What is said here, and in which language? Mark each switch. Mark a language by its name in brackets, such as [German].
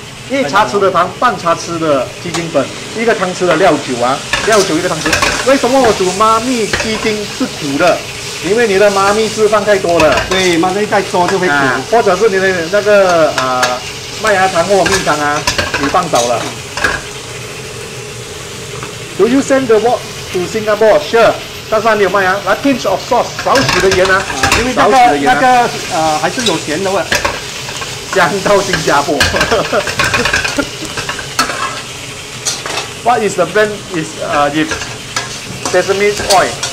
[Chinese] 一茶匙的糖，半茶匙的鸡精粉，一个汤匙的料酒啊，料酒一个汤匙。为什么我煮妈咪鸡精是苦的？因为你的妈咪是放太多了。对，妈咪太多就会苦。或者是你的那个麦芽糖或蜜糖啊，你放少了。 [English] Do you send the wok to Singapore? Sure. [Chinese] 但是你有卖啊，来 [English] pinch of salt， [Chinese] 少许的盐啊，因为那个还是有咸的味，香到新加坡。 [English] What is the brand? Is it sesame oil?